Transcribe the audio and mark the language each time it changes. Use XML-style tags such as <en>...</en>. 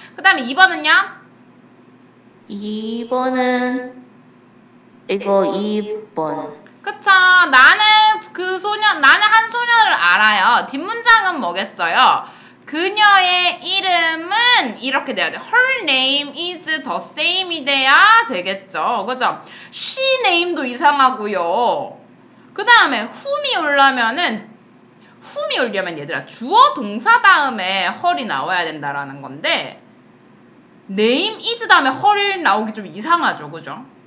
<ko>그 다음에 2번은요? 2번은 이거 2번. 그쵸. 나는 그 소녀, 나는 한 소녀를 알아요. 뒷문장은 뭐겠어요? 그녀의 이름은 이렇게 돼야 돼.</ko> <en>Her name is the same이</en> <ko>돼야 되겠죠. 그죠? She name도 이상하고요. 그 다음에 whom이 오려면은 whom이 오려면 얘들아 주어 동사 다음에 her이 나와야 된다라는 건데 name is 다음에 her 나오기 좀 이상하죠. 그죠?</ko>